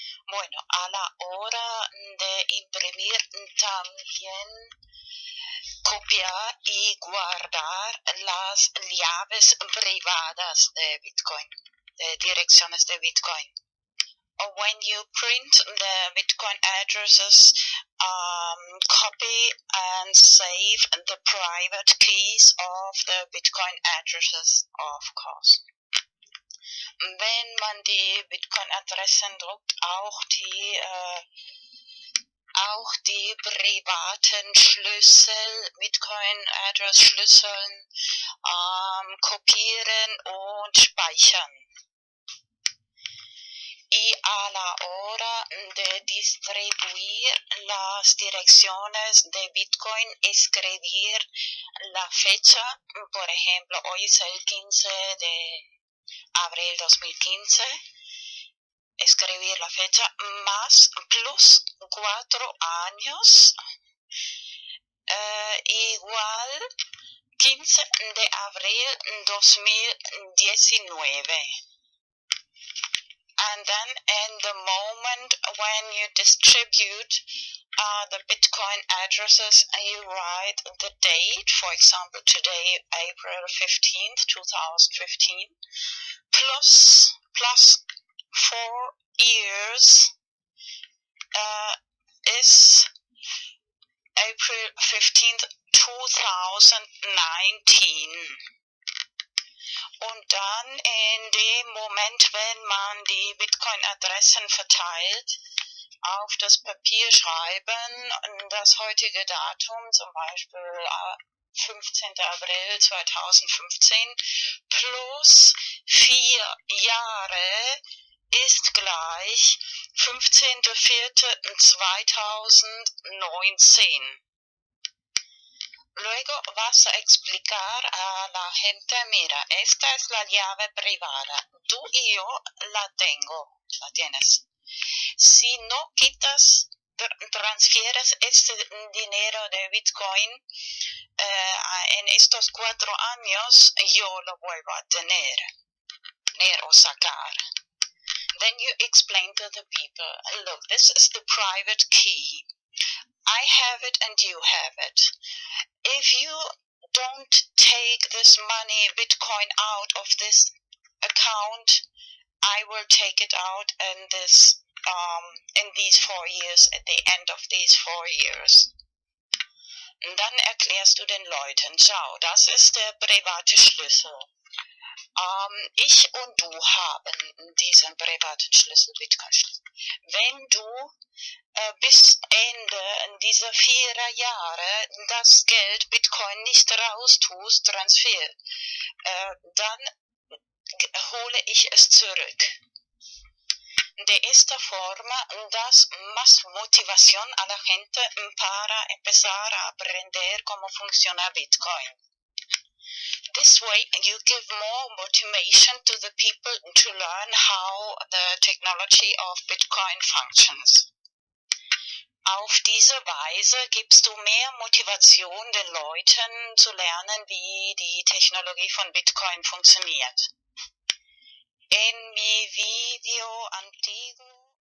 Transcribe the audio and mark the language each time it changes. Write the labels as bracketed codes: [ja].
[es] Bueno, a la hora de imprimir también copiar y guardar las llaves privadas de Bitcoin, de direcciones de Bitcoin. [en] When you print the Bitcoin addresses, copy and save the private keys of the Bitcoin addresses, of course. [de] Wenn man die Bitcoin-Adressen druckt, auch die privaten Schlüssel, Bitcoin-Address-Schlüsseln, kopieren und speichern. [es] Y a la hora de distribuir las direcciones de Bitcoin, escribir la fecha, por ejemplo, hoy es el 15 de abril 2015, escribir la fecha más plus 4 años igual 15 de abril 2019. [en] And then in the moment when you distribute the Bitcoin addresses, you write the date, for example, today, April 15th, 2015, plus 4 years is April 15th, 2019. [de] Und dann in dem Moment, wenn man die Bitcoin-Adressen verteilt, auf das Papier schreiben, das heutige Datum, zum Beispiel 15. April 2015, plus 4 Jahre, ist gleich 15.04.2019. [es] Luego vas a explicar a la gente, mira, esta es la llave privada. Tú y yo la tengo, la tienes. Si no quitas, transfieres este dinero de Bitcoin en estos 4 años, yo lo vuelvo a tener o sacar. [en] Then you explain to the people, look, this is the private key. I have it and you have it. If you don't take this money, Bitcoin, out of this account, I will take it out in this, in these 4 years, at the end of these 4 years. [de] Und dann erklärst du den Leuten, schau, das ist der private Schlüssel. Ich und du haben diesen privaten Schlüssel, Bitcoin-Schlüssel. Wenn du bis Ende dieser 4 Jahre das Geld Bitcoin nicht raustust, Transfer, dann hole ich es zurück. [es] De esta forma das más motivación a la gente para empezar a aprender cómo funciona Bitcoin. [en] This way, you give more motivation to the people to learn how the technology of Bitcoin functions. [de] Auf diese Weise gibst du mehr Motivation den Leuten zu lernen, wie die Technologie von Bitcoin funktioniert. In [es] mi video antiguo.